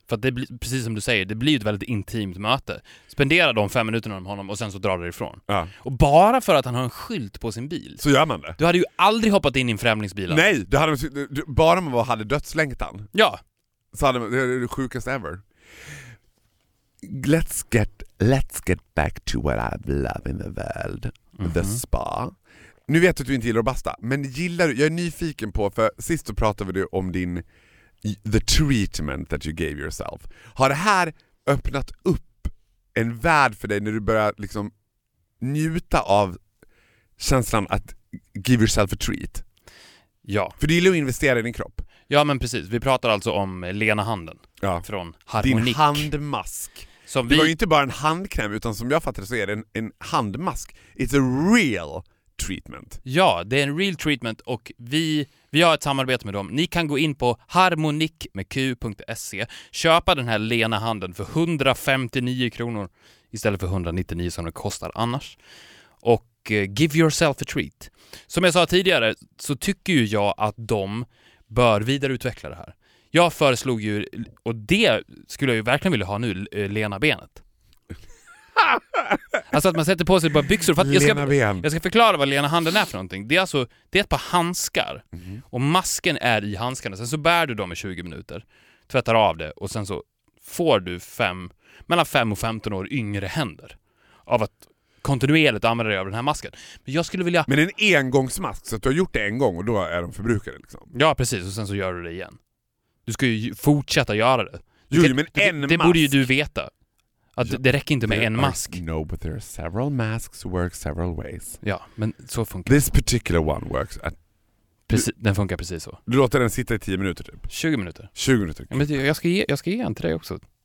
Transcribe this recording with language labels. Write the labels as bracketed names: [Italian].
[Swedish] För att det blir, precis som du säger, det blir ett väldigt intimt möte. Spendera de fem minuterna med honom och sen så drar du ifrån. Ja. Och bara för att han har en skylt på sin bil. Så gör man det. Du hade ju aldrig hoppat in i en främlingsbil. Nej, bara man hade dödslängtan. Ja. Så hade man, det är det sjukaste ever. [English] Let's get back to what I love in the world. Mm-hmm. The spa. [Swedish] Nu vet du att du inte gillar att basta. Men gillar du, jag är nyfiken på, för sist så pratade vi om din [English] the treatment that you gave yourself. [Swedish] Har det här öppnat upp en värld för dig när du börjar liksom njuta av känslan att [English] give yourself a treat? [Swedish] Ja. För du gillar att investera i din kropp. Ja, men precis. Vi pratar alltså om Lena Handen, ja, från Harmonique. Din handmask. Som det var ju inte bara en handkräm, utan som jag fattar så är det en handmask. [English] It's a real treatment. [Swedish] Ja, det är en [English] real treatment, [Swedish] och vi har ett samarbete med dem. Ni kan gå in på harmonik.q.se, köpa den här Lena Handen för 159 kronor istället för 199 som det kostar annars. [English] Och give yourself a treat. [Swedish] Som jag sa tidigare så tycker ju jag att de bör vidareutveckla det här. Jag föreslog ju, och det skulle jag ju verkligen vilja ha nu, Lena Benet. Alltså att man sätter på sig bara byxor. För att jag ska förklara vad Lena Handen är för någonting. Det är alltså, det är ett par handskar. Mm. Och masken är i handskarna. Sen så bär du dem i 20 minuter. Tvättar av det. Och sen så får du mellan 5 och 15 år yngre händer. Av att kontinuerligt använda dig av den här masken. Men jag skulle vilja... Men en engångsmask, så att du har gjort det en gång och då är de förbrukade liksom. Ja, precis. Och sen så gör du det igen. Du ska ju fortsätta göra det. Men en mask. Det borde ju du veta. Att det räcker inte med en mask. [English] No, but there are several masks work several ways. [Swedish] Ja, men så funkar [English] this particular one works. [Swedish] Den funkar precis så. Du låter den sitta i 10 minuter typ. 20 minuter. 20 minuter. Ja, men jag ska ge en till dig också.